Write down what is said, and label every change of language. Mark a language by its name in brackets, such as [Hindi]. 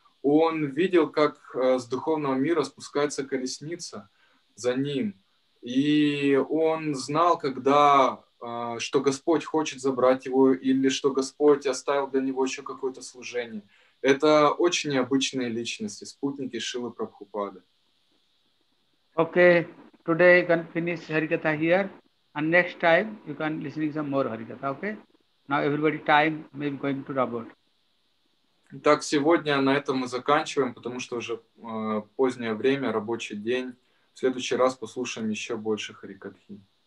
[Russian] Он видел, как с духовного мира спускается колесница за ним. И он знал, когда, что Господь хочет забрать его или что Господь оставил для него еще какое-то служение. Это очень необычные личности, спутники Шрилы Прабхупады. [English] Okay, today you can finish Harikatha here, and next time you can listen to some more Harikatha, okay? Now everybody time may be going to rub out. [Russian] Так, сегодня на этом мы заканчиваем, потому что уже позднее время, рабочий день. В следующий раз послушаем еще больше Харикатхи.